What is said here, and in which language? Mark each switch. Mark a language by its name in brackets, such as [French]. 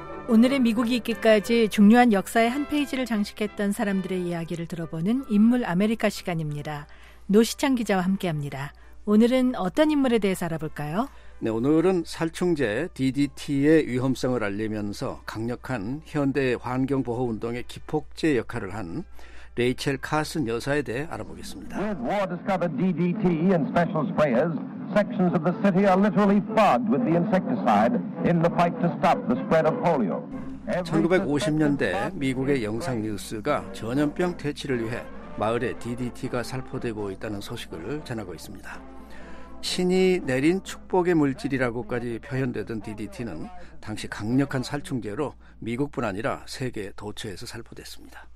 [Korean] 오늘의 미국이 있기까지 중요한 역사의 한 페이지를 장식했던 사람들의 이야기를 들어보는 인물 아메리카 시간입니다. 노시창 기자와 함께합니다. 오늘은 어떤 인물에 대해서 알아볼까요? 네, 오늘은 살충제 DDT의 위험성을 알리면서 강력한 현대 환경보호운동의 기폭제 역할을 한 레이첼 카슨 여사에 대해 알아보겠습니다. [English] With war discovered DDT and special sprayers, sections of the city are literally fogged with the insecticide in the fight to stop the spread of polio. [Korean] 1950년대 미국의 영상 뉴스가 전염병 퇴치를 위해 마을에 DDT가 살포되고 있다는 소식을 전하고 있습니다. 신이 내린 축복의 물질이라고까지 표현되던 DDT는 당시 강력한 살충제로 미국뿐 아니라 세계 도처에서 살포됐습니다.